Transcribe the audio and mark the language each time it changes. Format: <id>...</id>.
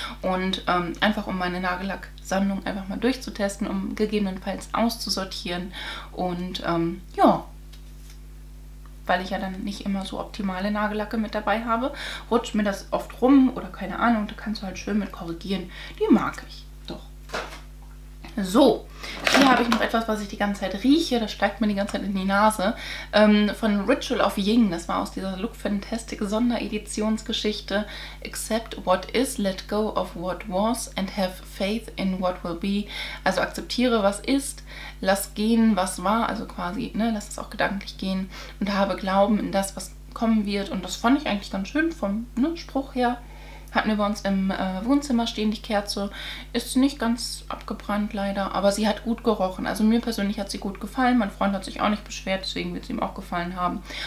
<de>Und einfach um meine Nagellacksammlung einfach mal durchzutesten, um gegebenenfalls auszusortieren und ja, weil ich ja dann nicht immer so optimale Nagellacke mit dabei habe, rutscht mir das oft rum oder keine Ahnung, da kannst du halt schön mit korrigieren. Die mag ich. So, hier habe ich noch etwas, was ich die ganze Zeit rieche. Das steigt mir die ganze Zeit in die Nase. Von Ritual of Ying. Das war aus dieser Look Fantastic Sondereditionsgeschichte.</de> <en>Accept what is, let go of what was and have faith in what will be.</en> <de>Also akzeptiere, was ist, lass gehen, was war. Also quasi, ne, lass es auch gedanklich gehen. Und habe Glauben in das, was kommen wird. Und das fand ich eigentlich ganz schön vom, ne, Spruch her. Hatten wir bei uns im Wohnzimmer stehen, die Kerze ist nicht ganz abgebrannt leider, aber sie hat gut gerochen. Also mir persönlich hat sie gut gefallen, mein Freund hat sich auch nicht beschwert, deswegen wird sie ihm auch gefallen haben.</de>